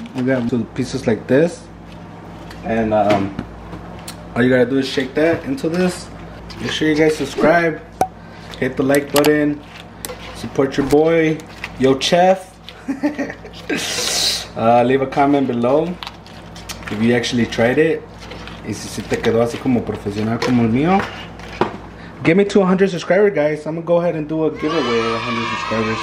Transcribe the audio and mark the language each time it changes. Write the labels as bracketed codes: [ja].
[en] You grab 2 pieces like this. And all you gotta do is shake that into this. Make sure you guys subscribe. Hit the like button. Support your boy, yo chef. leave a comment below if you actually tried it. [es] Y si te quedó así como profesional como el mío. [en] Get me to 100 subscribers, guys. I'm gonna go ahead and do a giveaway of 100 subscribers.